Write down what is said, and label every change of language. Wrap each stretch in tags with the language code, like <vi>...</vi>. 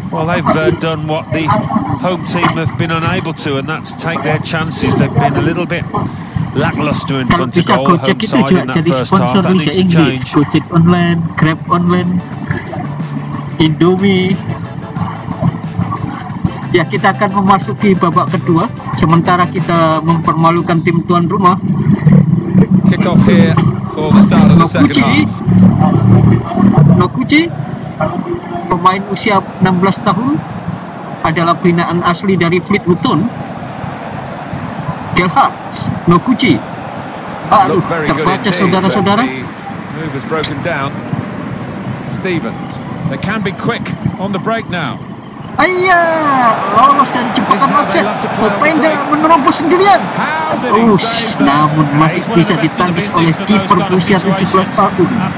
<en>Well, they've done what the home team have been unable to, and that's take their chances. They've been a little bit lackluster in front of goal.</en> <id>Gojek itu juga jadi sponsor Liga Inggris. Gojek online, Grab online, Indomie. Ya, kita akan memasuki babak kedua sementara kita mempermalukan tim tuan rumah.</id> <en>Kick off here for the start of the second half.</en> <id>Nokuchi, pemain usia 16 tahun, adalah binaan asli dari Fleet Hutton. Gerhard Nokuchi. Aduh, terbaca saudara-saudara.</id> <en>Move is broken down. Stevens. They can be quick on the break now.</en> <id>Ayah, lolos dan cepat offset. Openda menerobos sendirian. Namun masih bisa ditangkis oleh kiper berusia 17 tahun.</id>